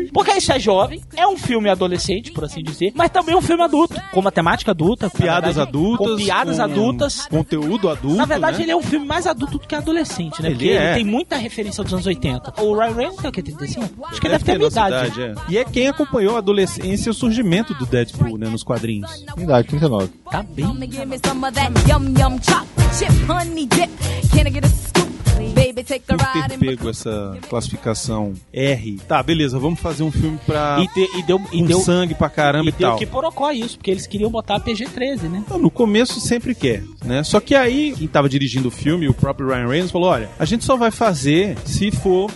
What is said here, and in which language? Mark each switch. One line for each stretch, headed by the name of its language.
Portuguese: Porque isso é jovem, é um filme adolescente, por assim dizer, mas também um filme adulto, com matemática adulta, com piadas adultas, conteúdo adulto. Na verdade, né? Ele é um filme mais adulto do que adolescente, né? Ele porque é. Ele tem muita referência dos anos 80. O Ryan Reynolds tem o quê? 35? Acho que ele deve ter a minha idade. É. E é quem acompanhou a adolescência e o surgimento do Deadpool, né? Nos quadrinhos. Idade, 39. Tá bem.
English: Give me some of that yum yum chocolate chip honey dip. Can I get a scoop, baby?
Portuguese: pego essa classificação R. Tá, beleza, vamos fazer um filme pra... E deu sangue pra caramba e tal. E deu que porocó isso, porque eles queriam botar PG-13, né? Então, no começo sempre quer, né? Só que aí, quem tava dirigindo o filme, o próprio Ryan Reynolds, falou, olha, a gente só vai fazer se for